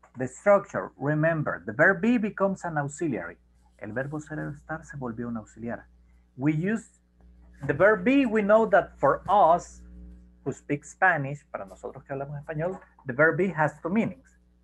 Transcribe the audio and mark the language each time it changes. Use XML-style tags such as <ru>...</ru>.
<en>The structure, remember, the verb be becomes an auxiliary.</en> <es>El verbo ser estar se volvió un auxiliar.</es> <en>We use the verb be, we know that for us who speak Spanish,</en> <es>para nosotros que hablamos español,</es> <en>the verb be has two meanings.</en>